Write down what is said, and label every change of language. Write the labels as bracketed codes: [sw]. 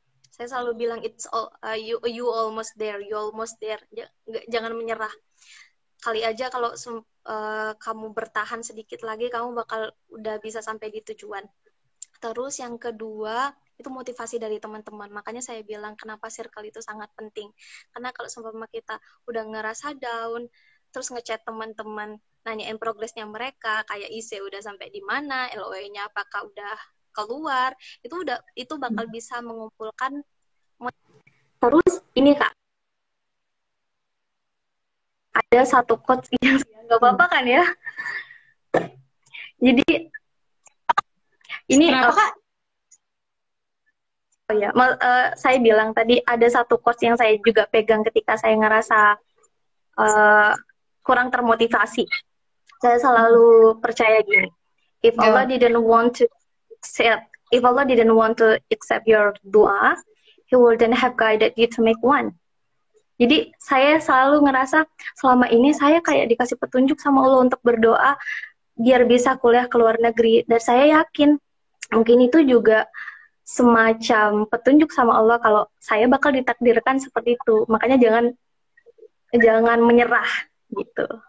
[id] Saya selalu bilang, [en] it's all, you almost there, you almost there. [id] Jangan menyerah. Kali aja kalau kamu bertahan sedikit lagi, kamu bakal udah bisa sampai di tujuan. Terus yang kedua, itu motivasi dari teman-teman. Makanya saya bilang, kenapa circle itu sangat penting. Karena kalau sama kita udah ngerasa down, terus ngechat teman-teman, nanyain progresnya mereka, kayak IC udah sampai di mana, LOE-nya apakah udah keluar, itu bakal bisa mengumpulkan. Terus ini Kak, ada satu quotes yang nggak apa-apa kan ya. Jadi ini kenapa Kak? Oh ya, saya bilang tadi ada satu quotes yang saya juga pegang ketika saya ngerasa kurang termotivasi. Saya selalu percaya gini. [en] If Allah didn't want to accept your dua, He wouldn't have guided you to make one. [id] Jadi saya selalu ngerasa selama ini saya kayak dikasih petunjuk sama Allah untuk berdoa biar bisa kuliah ke luar negeri, dan saya yakin mungkin itu juga semacam petunjuk sama Allah kalau saya bakal ditakdirkan seperti itu. Makanya jangan jangan menyerah gitu.